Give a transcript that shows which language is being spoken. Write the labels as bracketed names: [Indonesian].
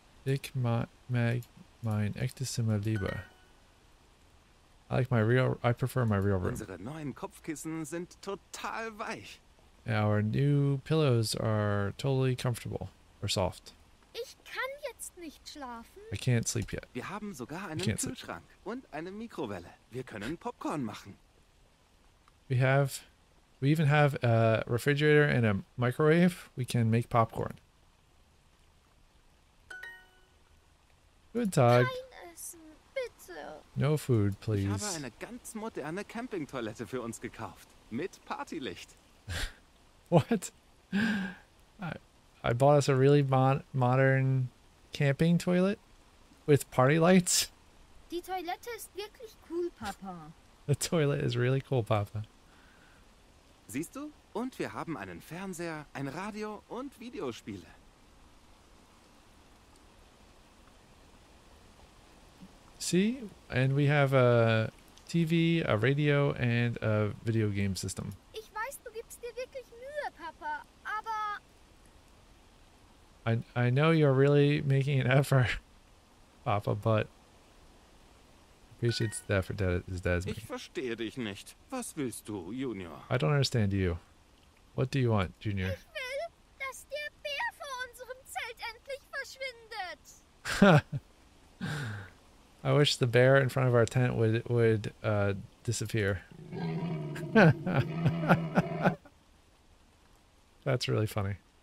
[German] Ich mag mein echtes Zimmer lieber. [English] I like my real. I prefer my real room. [German] Unsere neuen Kopfkissen sind total weich. [English] Our new pillows are totally comfortable or soft. [German] Ich kann jetzt nicht schlafen. [English] I can't sleep yet. [German] Wir haben sogar einen Kühlschrank und eine Mikrowelle. Wir können Popcorn machen. [English] We even have a refrigerator and a microwave. We can make popcorn. [German] Guten Tag. [English] No food, please. [German] Ich habe eine ganz moderne Campingtoilette für uns gekauft. Mit Partylicht. [English] What? I bought us a really modern camping toilet? With party lights? [German] Die Toilette ist wirklich cool, Papa. [English] The toilet is really cool, Papa. [German] Siehst du? Und wir haben einen Fernseher, ein Radio und Videospiele. [English] See? And we have a TV, a radio, and a video game system. Ich weiß, du gibst dir wirklich Mühe, Papa, aber... I know you're really making an effort, Papa, but... Appreciate the effort that his dad's making. [German] Ich verstehe dich nicht. Was willst du, Junior? [English] I don't understand you. What do you want, Junior? [German] Ich will, dass der Bär vor unserem Zelt endlich verschwindet. [English] I wish the bear in front of our tent would disappear. That's really funny.